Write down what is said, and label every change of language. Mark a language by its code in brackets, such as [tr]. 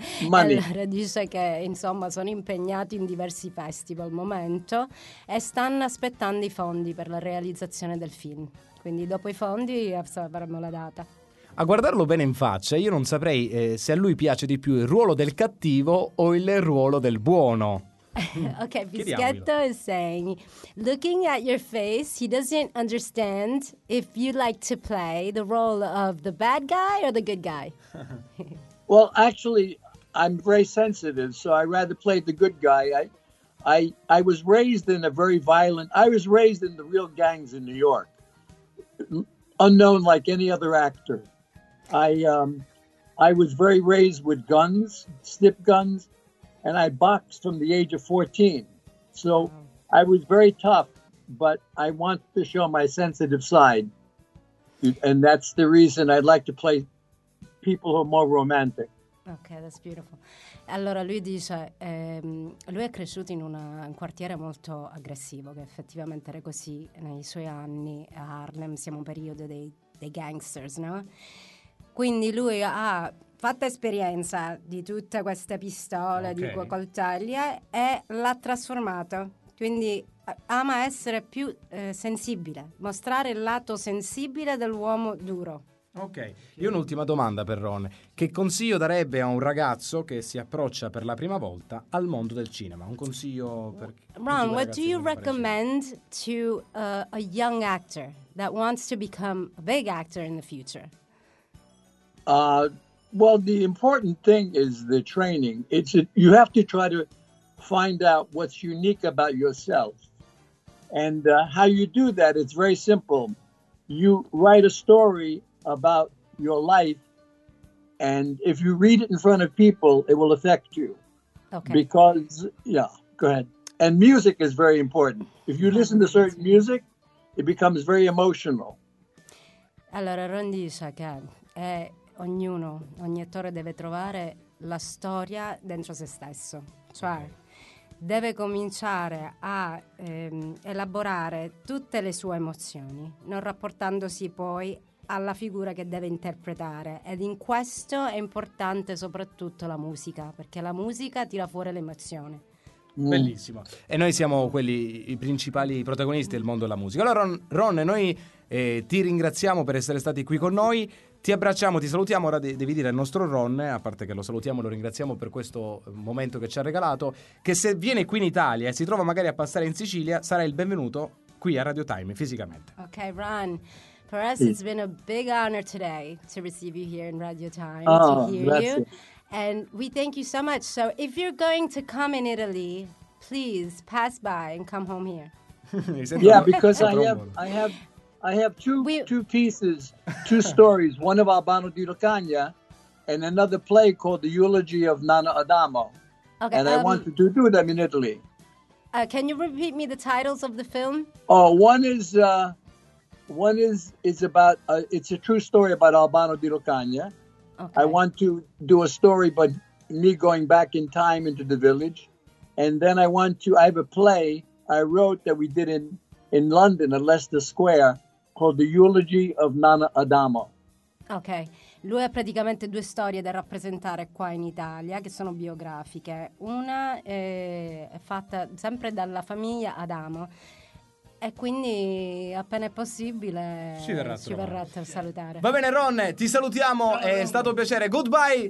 [it] Allora, dice che insomma sono impegnati in diversi festival al momento e stanno aspettando i fondi per la realizzazione del film. Quindi dopo i fondi avremo la data. A guardarlo bene in faccia, io non saprei se a lui piace di più il ruolo del cattivo o il ruolo del buono. [en] Okay, Bischetto is saying, looking at your face, he doesn't understand if you like to play the role of the bad guy or the good guy. Well, actually, I'm very sensitive, so I rather play the good guy. I was raised in a very violent, I was raised in the real gangs in New York, unknown like any other actor. I was very raised with guns, snip guns. And I boxed from the age of 14. So I was very tough, but I want to show my sensitive side. And that's the reason I'd like to play people who are more romantic. Okay, that's beautiful. [it] Allora lui dice, lui è cresciuto in un quartiere molto aggressivo, che effettivamente era così nei suoi anni a Harlem, siamo un periodo dei gangsters, no? Quindi lui ha fatta esperienza di tutte queste pistole, okay, di quei coltelli e l'ha trasformato. Quindi ama essere più sensibile, mostrare il lato sensibile dell'uomo duro. Ok, io un'ultima domanda per Ron. Che consiglio darebbe a un ragazzo che si approccia per la prima volta al mondo del cinema? Un consiglio per [en] Ron, what do you recommend to a young actor that wants to become a big actor in the future? Well, the important thing is the training. You have to try to find out what's unique about yourself. And how you do that, it's very simple. You write a story about your life, and if you read it in front of people, it will affect you. Okay. Because, yeah, go ahead. And music is very important. If you listen to certain music, it becomes very emotional. [it] Allora, Rondi Shakan, ognuno, ogni attore deve trovare la storia dentro se stesso. Cioè, deve cominciare a elaborare tutte le sue emozioni, non rapportandosi poi alla figura che deve interpretare. Ed in questo è importante soprattutto la musica, perché la musica tira fuori l'emozione. Bellissimo. E noi siamo quelli, i principali protagonisti del mondo della musica. Allora Ron, noi ti ringraziamo per essere stati qui con noi. Ti abbracciamo, ti salutiamo. Ora devi dire al nostro Ron, a parte che lo salutiamo e lo ringraziamo per questo momento che ci ha regalato, che se viene qui in Italia e si trova magari a passare in Sicilia, sarà il benvenuto qui a Radio Time fisicamente. [en] Ok Ron, for us it's been a big honor today to receive you here in Radio Time. Oh, to hear [it] grazie. [en] You. And we thank you so much. So if you're going to come in Italy, please pass by and come home here. Yeah, because I have two pieces, two stories, one of Albano di Lucania and another play called The Eulogy of Nana Adamo. Okay, and I want to do them in Italy. Can you repeat me the titles of the film? Oh, it's a true story about Albano di Lucania. Okay. I want to do a story, but me going back in time into the village. And then I have a play I wrote that we did in London at Leicester Square called The Eulogy of Nana Adamo. Okay. [it] Lui ha praticamente due storie da rappresentare qua in Italia, che sono biografiche. Una è fatta sempre dalla famiglia Adamo. E quindi appena è possibile ci verrà a salutare. Va bene Ron, ti salutiamo, è stato un piacere. [en] Goodbye!